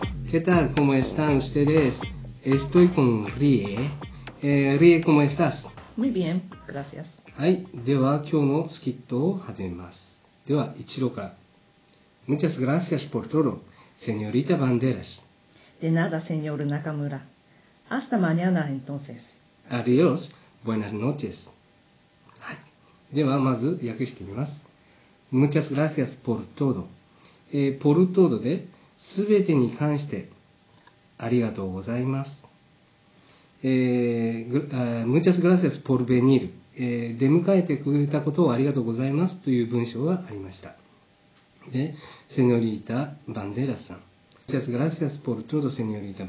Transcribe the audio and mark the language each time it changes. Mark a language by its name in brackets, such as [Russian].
[Spanish] ¿Qué tal? ¿Cómo están ustedes? Estoy con Rie. Rie, ¿cómo estás? Muy bien, gracias. [Japanese] はい、では今日のスキットを始めます。では一路から。 [Spanish] Muchas gracias por todo, señorita Banderas. De nada, señor Nakamura. Hasta mañana, entonces. Adiós, buenas noches. [Japanese] はい、ではまず訳してみます。 [Spanish] Muchas gracias por todo. Por todo [Japanese] で、すべてに関してありがとうございます。 [Spanish] Muchas gracias por venir. [Japanese] 出迎えてくれたことをありがとうございますという文章がありました。で、セニョリータ・バンデラスさん。 [Spanish] Muchas gracias por todo, señorita Banderas.